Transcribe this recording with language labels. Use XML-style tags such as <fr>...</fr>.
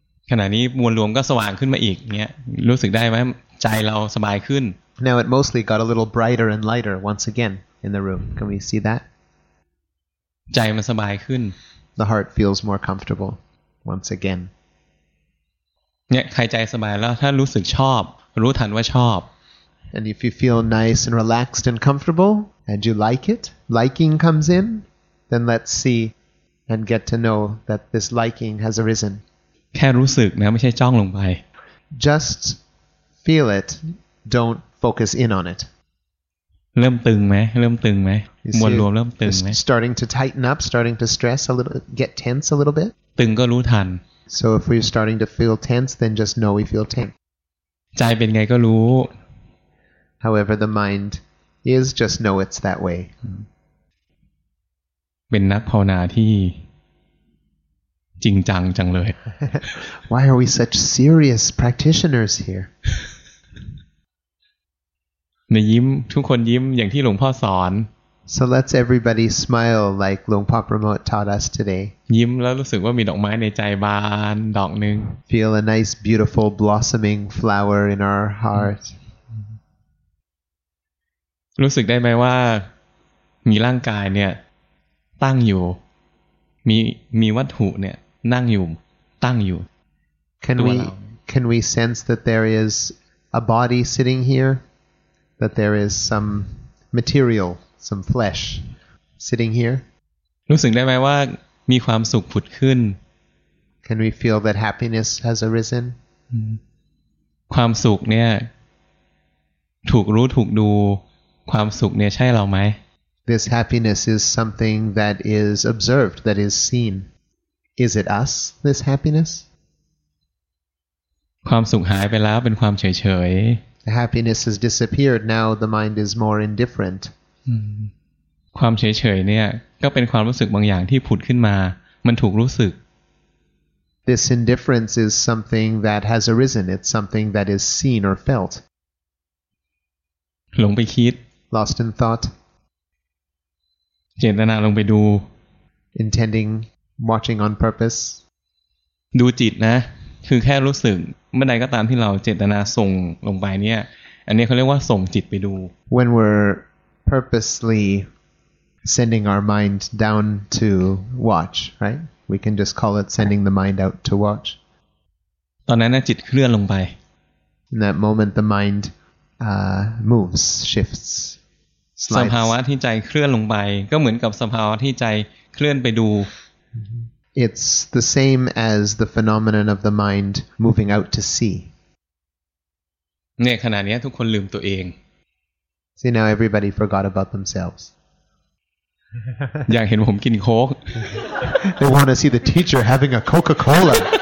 <th>ขณะนี้มวลรวมก็สว่างขึ้นมาอีกเงี้ยรู้สึกได้ไหมใจเราสบายขึ้น</th> <en>Now it mostly got a little brighter and lighter once again in the room Can we see that?</en> <th>ใจมันสบายขึ้น</th> <en>The heart feels more comfortable once again</en> <th>เนี่ยใครใจสบายแล้วถ้ารู้สึกชอบรู้ทันว่าชอบ</th> <en>And if you feel nice and relaxed and comfortable and you like it liking comes in then let's see and get to know that this liking has arisen</en> <th>แค่รู้สึกนะไม่ใช่จ้องลงไป</th> <en>Just feel it don't focus in on it</en> <th>เริ่มตึงไหมเริ่มตึงไหมมวลรวมเริ่มตึงไหม</th> <en>Starting to tighten up starting to stress a little get tense a little bit</en> <th>ตึงก็รู้ทัน</th> <en>So if we're starting to feel tense, then just know we feel tense.</en> <th>ใจเป็นไงก็รู้</th> <en>However, the mind is just know it's that way.</en> <th>เป็นนักภาวนาที่จริงจังจังเลย</th> <en>Why are we such serious practitioners here?</en> <th>ในยิ้มทุกคนยิ้มอย่างที่หลวงพ่อสอน</th> <en>So let's everybody smile like Luang Pa Pramot taught us today.</en> <th>ยิ้มแล้วรู้สึกว่ามีดอกไม้ในใจบานดอกนึง</th> <en>Feel a nice beautiful blossoming flower in our heart.</en> <th>รู้สึกได้ไหมว่ามีร่างกายเนี่ยตั้งอยู่มีวัตถุเนี่ยนั่งอยู่ตั้งอยู่</th> <en>Can we sense that there is a body sitting here? That there is some material? Some flesh sitting here.</en> <th>รู้สึกได้ไหมว่ามีความสุขผุดขึ้น</th> <en>Can we feel that happiness has arisen?</en> <th>ความสุขเนี่ยถูกรู้ถูกดูความสุขเนี่ยใช่เราไหม</th> <en>This happiness is something that is observed, that is seen. Is it us, this happiness?</en> <th>ความสุขหายไปแล้วเป็นความเฉยๆ</th> <en>the happiness has disappeared. Now the mind is more indifferent.</en> <th>ความเฉยๆเนี่ยก็เป็นความรู้สึกบางอย่างที่ผุดขึ้นมามันถูกรู้สึก</th> <en>This indifference is something that has arisen. It's something that is seen or felt.</en> <th>หลงไปคิด</th> <en>Lost in thought.</en> <th>เจตนาลงไปดู</th> <en>Intending, watching on purpose.</en> <th>ดูจิตนะคือแค่รู้สึกเมื่อใดก็ตามที่เราเจตนาส่งลงไปเนี่ยอันนี้เขาเรียกว่าส่งจิตไปดู</th> <en>When we're purposely sending our mind down to watch, right? We can just call it sending the mind out to watch.</en> <th>ตอนนั้นนะจิตเคลื่อนลงไป</th> <en>In that moment, the mind moves, shifts, slides.</en> <th>สภาวะที่ใจเคลื่อนลงไปก็เหมือนกับสภาวะที่ใจเคลื่อนไปดู</th> <en>It's the same as the phenomenon of the mind moving out to see.</en> <th>เนี่ยขณะนี้ทุกคนลืมตัวเอง</th> <en>See now everybody forgot about themselves.</en> <th>อยากเห็นผมกินโค้ก</th> <en>They want to see the teacher having a Coca-Cola.</en>